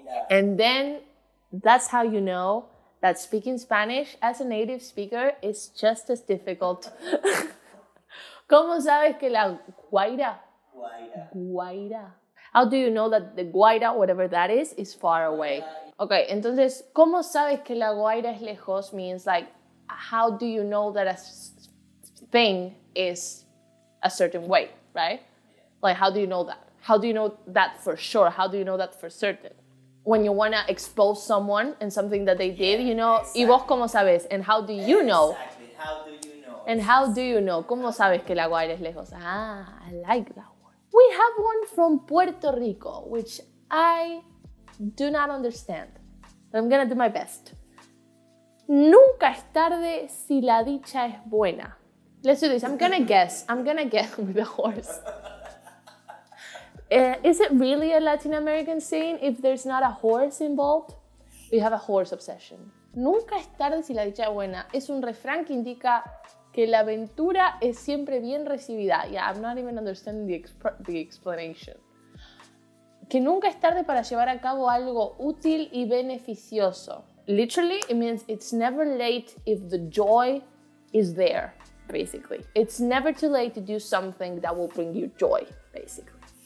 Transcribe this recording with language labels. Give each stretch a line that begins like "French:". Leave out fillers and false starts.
English: And then that's how you know that speaking Spanish as a native speaker is just as difficult.
Spanish: ¿Cómo sabes que la guaira? Guaira.
English: How do you know that the guaira, whatever that is far away?
Spanish: Okay, entonces, ¿cómo sabes que la guaira es lejos?
English: Means like, how do you know that a thing is a certain way, right? Yeah. Like, how do you know that? How do you know that for sure? How do you know that for certain? When you want to expose someone and something that they did, you know, exactly.
Spanish: ¿Y vos cómo sabes?
English: And how do you know? Exactly, how do you know? And how do you know?
Spanish: ¿Cómo sabes que la guaira es lejos?
English: Ah, I like that one. We have one from Puerto Rico, which I do not understand. I'm going to do my best.
Spanish: Nunca es tarde si la dicha es buena.
English: Let's do this. I'm going to guess with the horse. Is it really a Latin American saying if there's not a horse involved? We have a horse obsession.
Spanish: Nunca es tarde si la dicha es buena. Es un refrán que indica que la aventura es siempre bien recibida.
English: Yeah, I'm not even understanding the explanation.
Spanish: Que nunca es tarde para llevar a cabo algo útil y beneficioso.
English: Literally, it means it's never late if the joy is there, basically. It's never too late to do something that will bring you joy, basically.